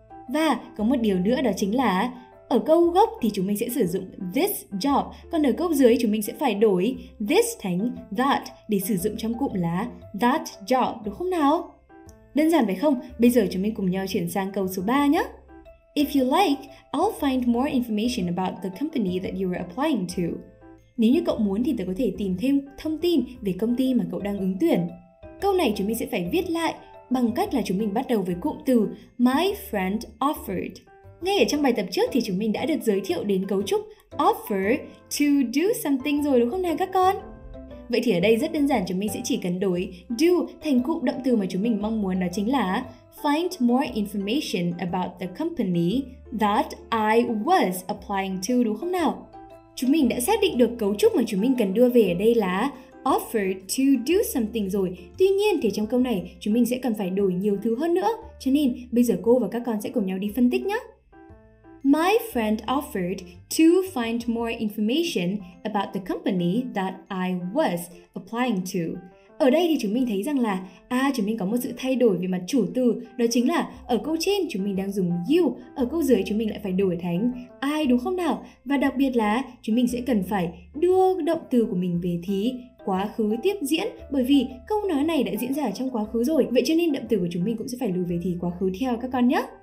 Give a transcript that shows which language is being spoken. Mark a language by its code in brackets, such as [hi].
[vi] Và có một điều nữa đó chính là ở câu gốc thì chúng mình sẽ sử dụng [en] this job, [vi] còn ở câu dưới chúng mình sẽ phải đổi this thành that để sử dụng trong cụm là [en] that job, [vi] đúng không nào? Đơn giản phải không? Bây giờ chúng mình cùng nhau chuyển sang câu số 3 nhé. [en] If you like, I'll find more information about the company that you were applying to. [vi] Nếu như cậu muốn thì tớ có thể tìm thêm thông tin về công ty mà cậu đang ứng tuyển. Câu này chúng mình sẽ phải viết lại bằng cách là chúng mình bắt đầu với cụm từ [en] my friend offered. [vi] Ngay ở trong bài tập trước thì chúng mình đã được giới thiệu đến cấu trúc [en] offer to do something [vi] rồi, đúng không nào các con? Vậy thì ở đây rất đơn giản, chúng mình sẽ chỉ cần đổi do thành cụm động từ mà chúng mình mong muốn, đó chính là [en] find more information about the company that I was applying to, [vi] đúng không nào? Chúng mình đã xác định được cấu trúc mà chúng mình cần đưa về ở đây là [en] offer to do something [vi] rồi. Tuy nhiên thì trong câu này chúng mình sẽ cần phải đổi nhiều thứ hơn nữa. Cho nên bây giờ cô và các con sẽ cùng nhau đi phân tích nhé. [en] My friend offered to find more information about the company that I was applying to. [vi] Ở đây thì chúng mình thấy rằng là chúng mình có một sự thay đổi về mặt chủ từ, đó chính là ở câu trên chúng mình đang dùng you, ở câu dưới chúng mình lại phải đổi thành I, đúng không nào? Và đặc biệt là chúng mình sẽ cần phải đưa động từ của mình về thì quá khứ tiếp diễn, bởi vì câu nói này đã diễn ra ở trong quá khứ rồi, vậy cho nên động từ của chúng mình cũng sẽ phải lùi về thì quá khứ theo các con nhé.